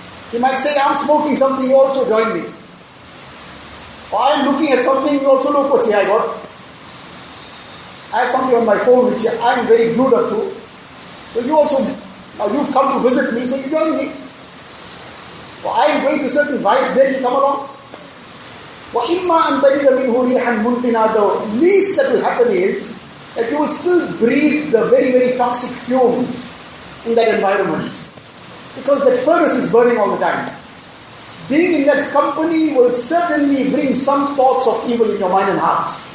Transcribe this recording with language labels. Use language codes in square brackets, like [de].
[en] He might say, I'm smoking something, you also join me. Or I'm looking at something, you also look what I got. I have something on my phone which I'm very glued up to. So you also, now you've come to visit me, so you join me. Or I'm going to certain vice, then you come along. [ar] Or إِمَّا أَن تَجِدَ مِنْهُ رِيحًا مُنْتِنَا. [en] The least that will happen is that you will still breathe the very, very toxic fumes in that environment, because that furnace is burning all the time. Being in that company will certainly bring some thoughts of evil in your mind and heart.